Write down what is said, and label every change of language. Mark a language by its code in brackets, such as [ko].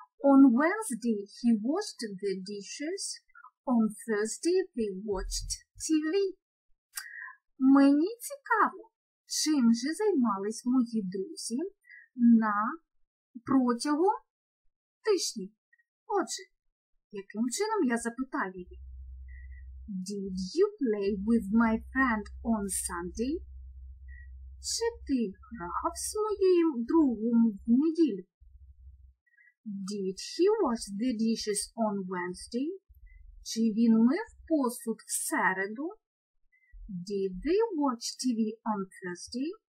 [en] On Wednesday he washed the dishes. On Thursday they watched TV. [uk] Мені цікаво, чим же займались мої друзі на протягом тижні. Отже, яким чином я запитаю її? [en] Did you play with my friend on Sunday? [uk] Чи ти грав з моєю другом в неділю? [en] Did he wash the dishes on Wednesday? [uk] Чи він мив посуд в середу? [en] Did they watch TV on Thursday?